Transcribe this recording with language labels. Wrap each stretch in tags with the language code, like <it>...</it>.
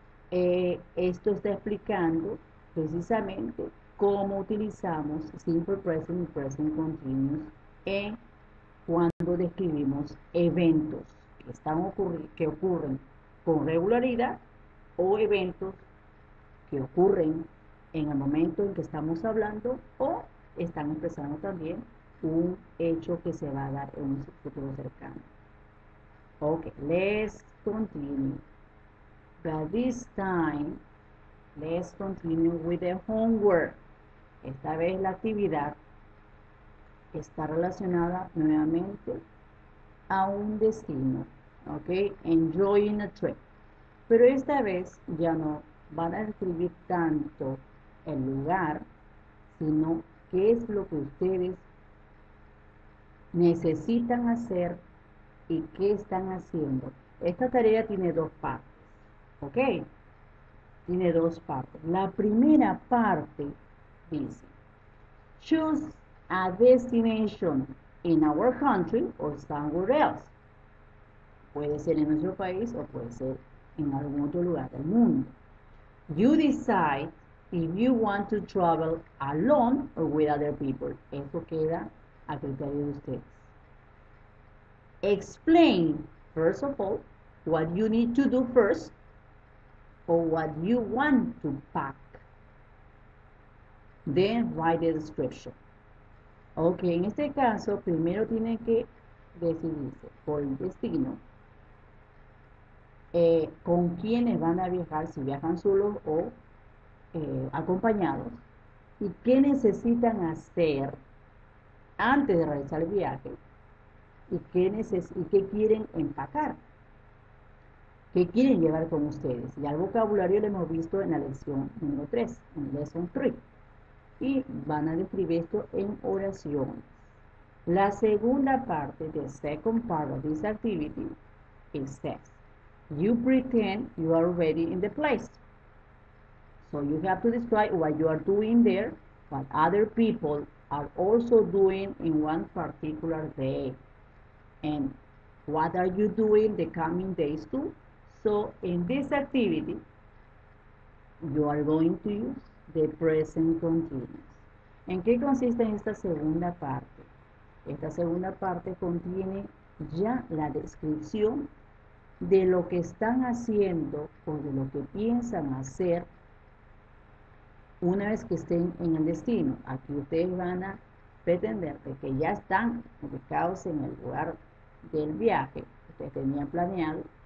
<es>Esto está explicando precisamente cómo utilizamos simple present y present continuous en cuando describimos eventos que están que ocurren con regularidad o eventos que ocurren en el momento en que estamos hablando o están expresando también un hecho que se va a dar en un futuro cercano.</es> <en>Ok, let's continue. But this time, let's continue with the homework.</en> <es>Esta vez la actividad está relacionada nuevamente a un destino, ¿ok?</es> <en>Enjoying a trip.</en> <es>Pero esta vez ya no van a describir tanto el lugar, sino qué es lo que ustedes necesitan hacer y qué están haciendo. Esta tarea tiene dos partes, ¿ok? Tiene dos partes. La primera parte dice,</es> <en>choose a destination in our country or somewhere else.</en> <es>Puede ser en nuestro país o puede ser en algún otro lugar del mundo.</es> <en>You decide if you want to travel alone or with other people.</en> <es>Eso queda a criterio de ustedes.</es> <en>Explain, first of all, what you need to do first or what you want to pack. Then write the description.</en> <es>Ok, en este caso, primero tiene que decidirse por el destino con quiénes van a viajar, si viajan solos o acompañados, y qué necesitan hacer antes de realizar el viaje y qué quieren empacar, qué quieren llevar con ustedes. Ya el vocabulario lo hemos visto en la lección número 3, en lesson 3. Y van a describir esto en oraciones. La segunda parte,</es> <en>the second part of this activity, it says, you pretend you are already in the place. So you have to describe what you are doing there, what other people are also doing in one particular day. And what are you doing the coming days too? So in this activity, you are going to use the present continuous.</en> <es>¿En qué consiste esta segunda parte? Esta segunda parte contiene ya la descripción de lo que están haciendo o de lo que piensan hacer una vez que estén en el destino. Aquí ustedes van a pretender de que ya están ubicados en el lugar del viaje que tenían planeado.</es>